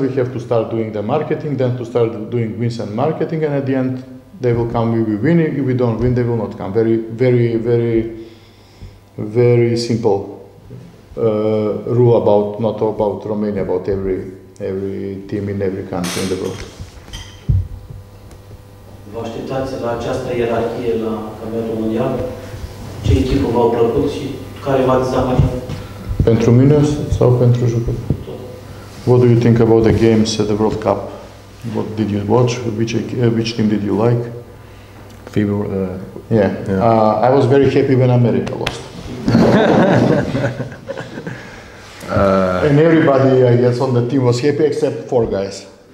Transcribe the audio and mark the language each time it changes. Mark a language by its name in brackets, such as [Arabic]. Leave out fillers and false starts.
[English] We have to start doing the marketing, then to start doing wins and marketing, and at the end, they will come, we will win. If we don't win, they will not come. Very, very, very, very simple rule about, not about Romania, about every team in every country in the world. [Romanian] Vă așteptați la această ierarhie la campionatul mondial? Ce echipă v-au plăcut și care v-a dezamăgit? Pentru mine sau pentru jucători? Tot. [English] What do you think about the games at the World Cup? What did you watch? Which team did you like? FIBA. Yeah. I was very happy when America lost. And everybody, I guess, on the team was happy except four guys.